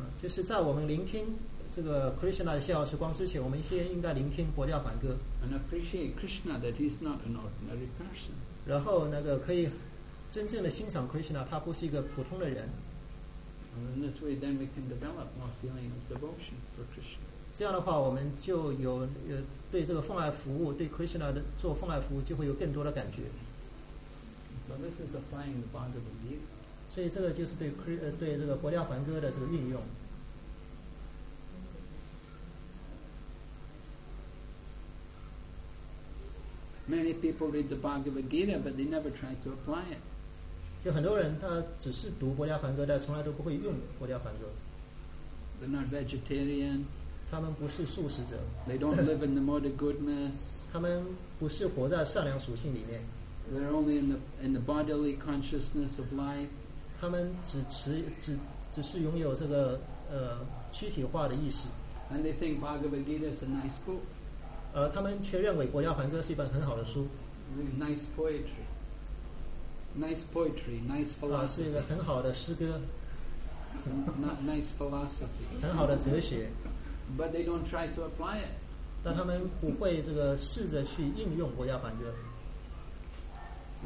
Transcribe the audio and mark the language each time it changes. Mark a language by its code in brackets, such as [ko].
[zh] 就是在我们聆听这个Krishna的逍遥时光之前, 我们先应该聆听《博伽梵歌》。 [en] And appreciate Krishna that he's not an ordinary person. [zh] 然后那个可以真正的欣赏Krishna, 他不是一个普通的人。 [en] And in this way, then we can develop more feeling of devotion for Krishna. [zh] 这样的话，我们就有对这个奉爱服务, 对Krishna做奉爱服务就会有更多的感觉。 [en] So this is applying the Bhagavad Gita. [zh] 所以这个就是对这个《博伽梵歌》的这个运用。 [en] Many people read the Bhagavad Gita, but they never try to apply it. [zh] 就很多人他只是读《博伽梵歌》, 但从来都不会用《博伽梵歌》。 [en] They're not vegetarian. [zh] 他们不是素食者。 [en] They don't live in the mode of goodness. [zh] 他们不是活在善良属性里面。 [en] They're only in the bodily consciousness of life. [zh] 他们只是拥有这个躯体化的意识。 [en] And they think Bhagavad Gita is a nice book. [zh] 他们却认为《博伽梵歌》是一本很好的书。 [en] Nice poetry. Nice poetry, nice philosophy. [zh] 是一个很好的诗歌。 [en] Nice philosophy. [zh] 很好的哲学。 [en] But they don't try to apply it. [zh] 但他们不会试着去应用《博伽梵歌》。